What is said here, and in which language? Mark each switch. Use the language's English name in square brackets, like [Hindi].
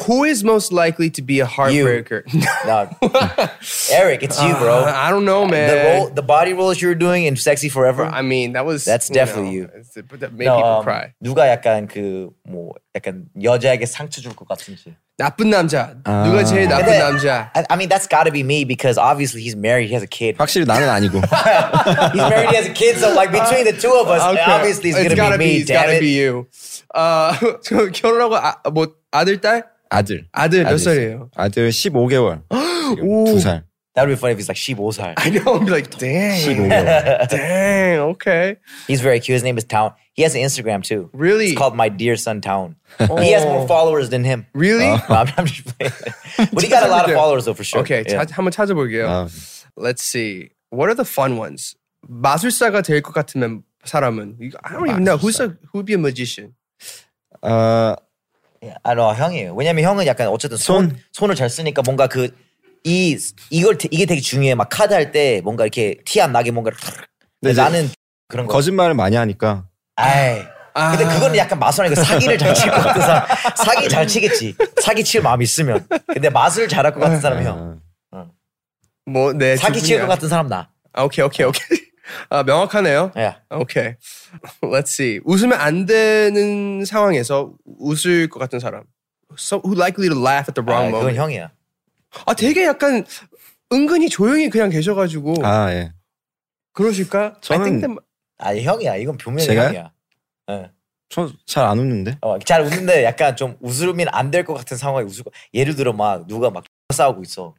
[English] Who is most likely to be a heartbreaker? Eric, it's you, bro. I don't know, man. The body rolls you were doing in Sexy Forever. I mean, that was… That's definitely you. That made people cry. [Korean] 누가 약간 약간 여자에게 상처 줄 것 같은지. 나쁜 남자. 누가 제일 나쁜 근데, 남자. [English] I mean, that's gotta be me because obviously he's married. He has a kid. [Korean] 확실히 나는 아니고. [English] He's married. He has a kid. So like between the two of us, okay. Obviously it's gonna be me. It's gotta be you. [Korean] 결혼하고 뭐 아들 딸? 아들 몇 살이에요? 아들 15개월. 2살. [English] That would be funny if he's like 15살. I know. I'd be like, dang. [Korean] 15개월. [English] Dang. Okay. He's very cute. His name is Town. He has an Instagram too. Really? It's called My Dear Son Town. He has more followers than him. Really? I'm just playing. But he got a lot of followers though for sure. Okay. [Korean] 한번 찾아볼게요. [English] Let's see. What are the fun ones? [Korean] 마술사가 될 것 같으면 사람은 [English] I don't even know who would be a magician. Yeah, I know [Korean] 형이에요. 왜냐면 형은 약간 어쨌든 손을 잘 쓰니까 뭔가 그 이게 되게 중요해. 막 카드 할 때 뭔가 이렇게 티 안 나게 뭔가 나는 그런 거 거짓말을 많이 하니까. 아이. 아. 근데 그건 약간 마술 아니고 사기를 잘 칠 것 같아서 사기 잘 치겠지. 사기 칠 마음 있으면. 근데 마술 잘할 것 같은 사람이 형. 뭐 내 네, 사기 칠 것 같은 사람 나. 아, 오케이. 아, 명확하네요. 예. Yeah. [English] 오케이. Let's see. [Korean] 웃으면 안 되는 상황에서 웃을 것 같은 사람. [English] So, who likely to laugh at the wrong moment? [Korean] 그건 형이야. 아, 되게 약간 은근히 조용히 그냥 계셔가지고. 아, 예. 그러실까? 저는… That… 아, 형이야. 이건 분명히 제가? 형이야. 저 잘 안 웃는데. 잘 웃는데 약간 좀 웃으면 안 될 것 같은 상황에 웃을 것… 예를 들어 막 누가 막 싸우고 있어.